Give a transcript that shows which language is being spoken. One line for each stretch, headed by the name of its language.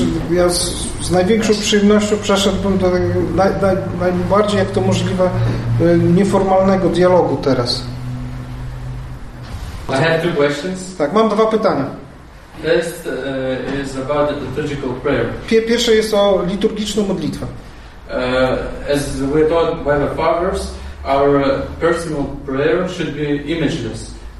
Polish: Ja z największą przyjemnością przeszedłbym do najbardziej, jak to możliwe, nieformalnego dialogu teraz.
English: I have two questions.
Polish: Tak, mam dwa pytania.
English: First is about the liturgical prayer.
Polish: Pierwsze jest o liturgiczną modlitwę.
English: As we taught by the fathers, our personal prayer should be imageless.